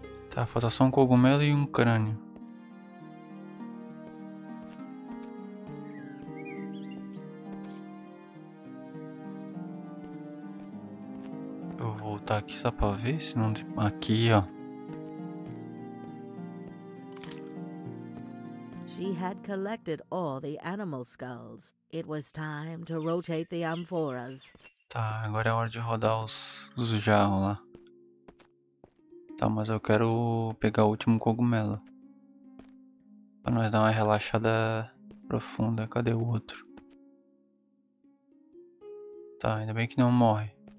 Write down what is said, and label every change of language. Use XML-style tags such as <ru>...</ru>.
<pt>Tá, falta só um cogumelo e um crânio. Eu vou voltar aqui só pra ver se não tem. Aqui, ó.</pt> <en>She had collected all the animal skulls. It was time to rotate the amphoras.</en> <pt>Tá, agora é hora de rodar os jarros lá. Tá, mas eu quero pegar o último cogumelo. Pra nós dar uma relaxada profunda. Cadê o outro? Tá, ainda bem que não morre.</pt>